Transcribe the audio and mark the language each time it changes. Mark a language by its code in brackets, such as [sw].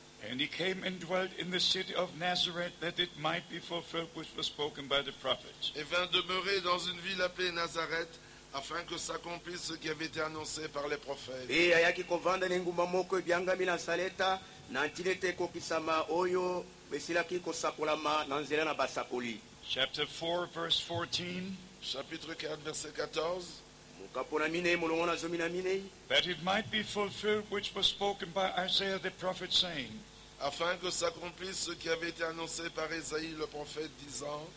[en] And he came and dwelt in the city of Nazareth that it might be fulfilled which was spoken by the prophet. [fr] Et vint demeurer dans une ville appelée Nazareth afin que s'accomplisse ce qui avait été annoncé par les prophètes. [ln] Et ayaki kovanda ngumba moko ebyanga mila saleta nantilete kokisama oyo mesilaki kosakolama nanzela na basakoli. [en] Chapter 4 verse 14. [fr] Chapitre 4 verset 14. [en] That it might be fulfilled which was spoken by Isaiah the prophet saying, [fr] afin que s'accomplisse ce qui avait été annoncé par Isaïe le prophète disant,